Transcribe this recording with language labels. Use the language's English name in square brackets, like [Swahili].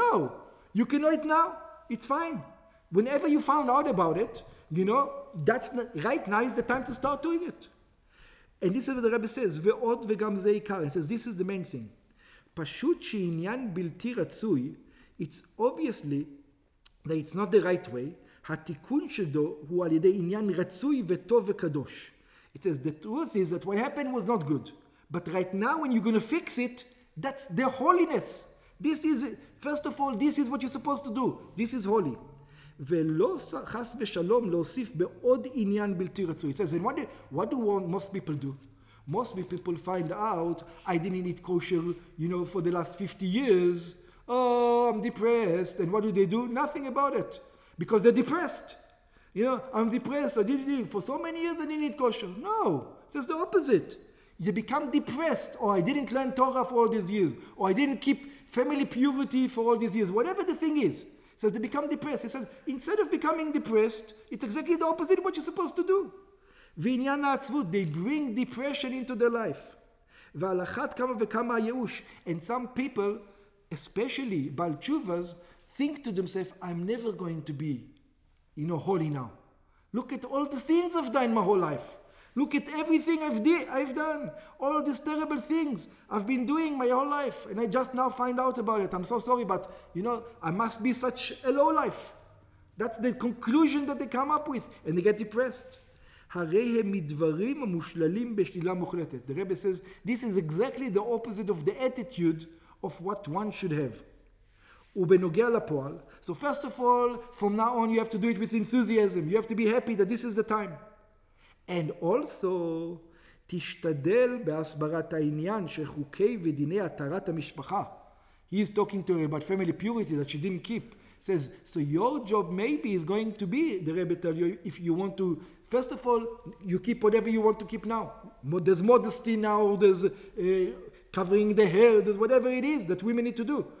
[English] No, you can know it now, it's fine. Whenever you found out about it, you know, that's right now is the time to start doing it. And this is what the Rebbe says, [Hebrew] ועוד וגם זה עיקר. [English] He says, this is the main thing. [Hebrew] פשוט שעניין בלתי רצוי, [English] it's obviously that it's not the right way. [Hebrew] התיקון שדו הוא על ידי עניין רצוי וטוב וקדוש. [English] It says, the truth is that what happened was not good. But right now, when you're going to fix it, that's the holiness. This is, first of all, this is what you're supposed to do. This is holy. [Hebrew] ולא חס ושלום להוסיף בעוד עניין בלתי רצוי. [English] It says, and what do most people do? Most people find out, I didn't eat kosher, you know, for the last 50 years. Oh, I'm depressed. And what do? Nothing about it. Because they're depressed. You know, I'm depressed. I didn't eat for so many years, I didn't eat kosher. No, it's just the opposite. You become depressed. Or I didn't learn Torah for all these years. Or I didn't keep family purity for all these years. Whatever the thing is. So they become depressed. He says, instead of becoming depressed, it's exactly the opposite of what you're supposed to do. [Hebrew] V'inyan ha'atzvut, [English] they bring depression into their life. [Hebrew] V'alachat kama v'kama yeush. [English] And some people, especially Baal Tshuvas, think to themselves, I'm never going to be, you know, holy now. Look at all the sins I've done my whole life. Look at everything I've done. All these terrible things I've been doing my whole life. And I just now find out about it. I'm so sorry, but, you know, I must be such a low life. That's the conclusion that they come up with. And they get depressed. [Hebrew] הרי הם מדברים המושללים בשלילה מוחלטת. [English] The Rebbe says, this is exactly the opposite of the attitude of what one should have. [Hebrew] ובנוגע לפועל. [English] So first of all, from now on, you have to do it with enthusiasm. You have to be happy that this is the time. And also, [Hebrew] תשתדל בהסברת העניין שחוקי ודיני התרת המשפחה. [English] He is talking to her about family purity that she didn't keep. Says, so your job maybe is going to be, the Rebbe tell you, if you want to, first of all, you keep whatever you want to keep now. There's modesty now, there's covering the hair, there's whatever it is that women need to do.